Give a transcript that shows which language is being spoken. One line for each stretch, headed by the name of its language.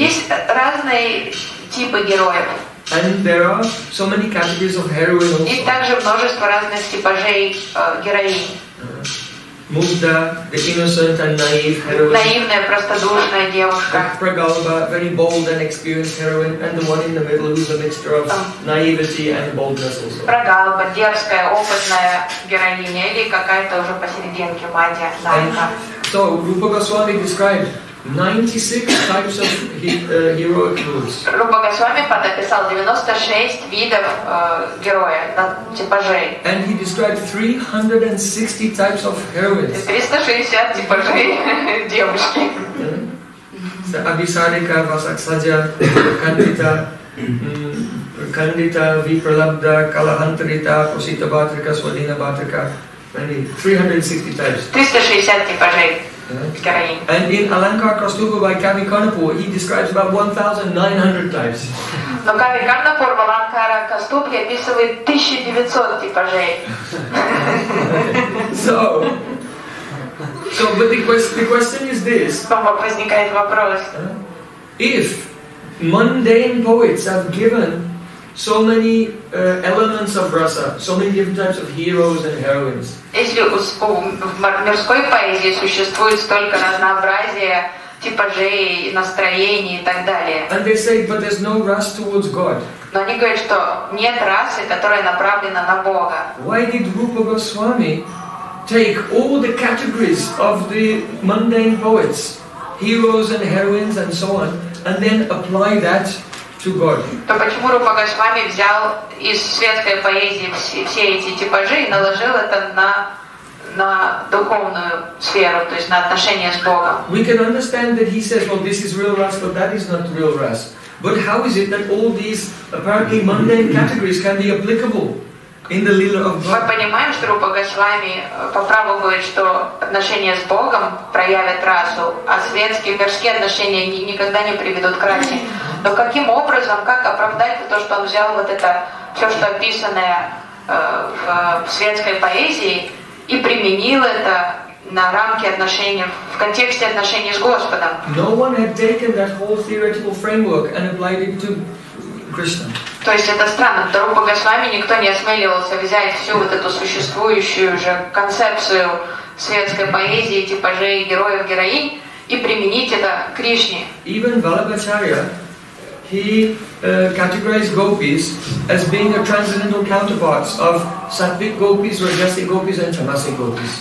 Russian: Есть разные типы героев.
English: And there are so many categories of heroism.
Russian: И также множество разных типажей героинь.
English: Mugda, the innocent and naive heroine.
Russian: Наивная, простодушная девушка.
English: Prakalpa, very bold and experienced heroine, and the one in the middle who's a mixture of naivety and boldness also.
Russian: Prakalpa, дерзкая, опытная героиня или какая-то уже посерединке мадья, наивка.
English: So Rupa Goswami described 96 types of heroic moves.
Russian: Rupa Goswami подописал 96 видов героя, типажей.
English: And he described 360 types of heroines.
Russian: 360 типажей девушки.
English: Abhisarika, Vasakshaja, Kandita, Kandita, Vipralabdha, Kalahantarita, Posita Bhatrika, Swadina Bhatrika. 360 types.
Russian: 360 типажей.
English: Yeah. And in Alankar Kastuba by Kavi Karnapur, he describes about 1,900 types.
Russian: Но Кави Карнапур в Аланкара Каступе описывает 1900 типажей.
English: So, but the question is this.
Russian: Возникает вопрос.
English: If mundane poets have given so many elements of rasa, so many different types of heroes and heroines.
Russian: Если в мирской поэзии существует столько разнообразия типажей, настроений и так далее.
English: And they say, but there's no rasa towards God.
Russian: Но они говорят, что нет расы, которая направлена на Бога.
English: Why did Rupa Goswami take all the categories of the mundane poets, heroes and heroines and so on, and then apply that to God?
Russian: То почему Рупа Госвами взял из светской поэзии все эти типажи и наложил это на духовную сферу, то есть на отношения с Богом?
English: We can understand that he says, well, this is real rasa, but that is not real rasa. But how is it that all these apparently mundane categories can be applicable in the lila of God?
Russian: Мы понимаем, что Рупа Госвами по праву говорит, что отношения с Богом проявят расу, а светские мирские отношения никогда не приведут к расе. Но каким образом, как оправдать то, что он взял вот это все, что описанное в светской поэзии, и применил это на рамки отношений, в контексте отношений с Господом?
English: No one had taken that whole theoretical framework and applied it to Krishna.
Russian: То есть это странно, вдруг Бога с вами никто не осмеливался взять всю вот эту существующую уже концепцию светской поэзии, типажей героев, героинь, и применить это к Кришне.
English: Even Vallabhacharya, he categorized gopis as being a transcendental counterparts of sattvic gopis, rajasic gopis, and tamasic gopis.